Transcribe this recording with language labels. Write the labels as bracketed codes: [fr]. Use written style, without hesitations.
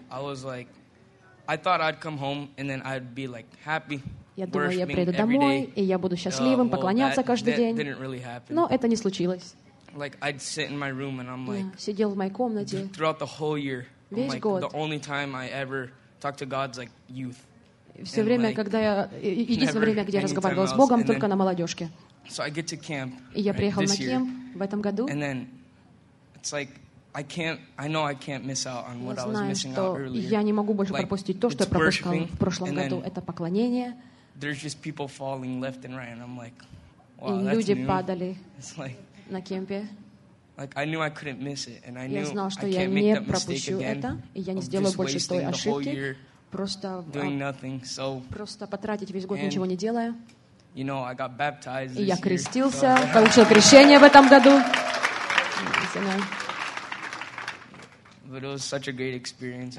[en] I was like, I thought I'd come home and then I'd be like happy. [ru] Я думаю, я приеду домой, и я буду счастливым, поклоняться каждый день. [en] Didn't really happen. [ru] Но это не случилось. [en] Like I'd sit in my room and I'm like, [ru] сидел в моей комнате. [en] Throughout the whole year, [ru] весь [en] like, [ru] год. [en] The only time I ever talked to God's like youth. [ru] Все время, когда я единственное время, где я разговаривал с Богом, только на молодежке. [en] So I get to camp. [ru] И я приехал на кемп в этом году. [en] And then it's like I know I can't miss out on what I was missing out earlier. [ru] Я не могу больше пропустить то, что я пропускал в прошлом году. Это поклонение. [en] There's just people falling left and right, and I'm like, wow, that's new. [ru] И люди падали на кемпе. [en] Like I knew I couldn't miss it, and I knew I can't make that mistake again. [ru] Я не сделаю больше той ошибки. Просто [en] doing nothing. So [ru] просто потратить весь год ничего не делая. [en] You know, I got baptized. [ru] И я крестился, получил крещение в этом году. [en] But it was such a great experience.